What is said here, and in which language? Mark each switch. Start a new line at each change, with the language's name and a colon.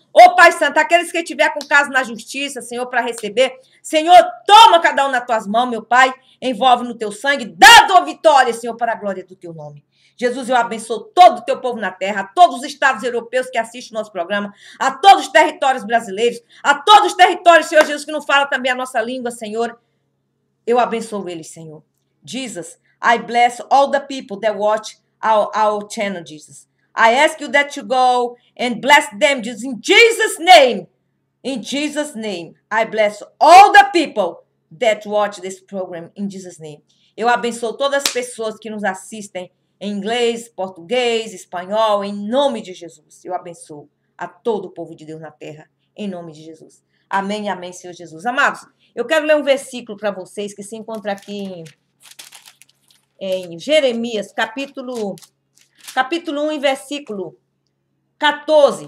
Portuguese: Ô, Pai Santo, aqueles que tiver com caso na justiça, Senhor, para receber, Senhor, toma cada um nas tuas mãos, meu Pai, envolve no teu sangue, dado a vitória, Senhor, para a glória do teu nome. Jesus, eu abençoo todo o teu povo na terra, a todos os estados europeus que assistem o nosso programa, a todos os territórios brasileiros, a todos os territórios, Senhor Jesus, que não fala também a nossa língua, Senhor, eu abençoo eles, Senhor.
English: Jesus, I bless all the people that watch our channel, Jesus. I ask you that you go and bless them, Jesus, in Jesus' name. In Jesus' name, I bless all the people that watch this program in Jesus' name.
Portuguese: Eu abençoo todas as pessoas que nos assistem em inglês, português, espanhol, em nome de Jesus. Eu abençoo a todo o povo de Deus na terra, em nome de Jesus. Amém, amém, Senhor Jesus. Amados, eu quero ler um versículo para vocês que se encontra aqui em Jeremias, capítulo 1, versículo 14.